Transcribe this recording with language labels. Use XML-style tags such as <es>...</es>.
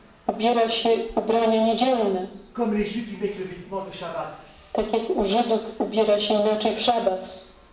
<pl>Ubiera się ubranie niedzielne.</pl> <fr>Comme les Juifs mettent les vêtements de Shabbat.</fr> <pl>Tak jak u Żydów ubiera się inaczej w Szabat.</pl>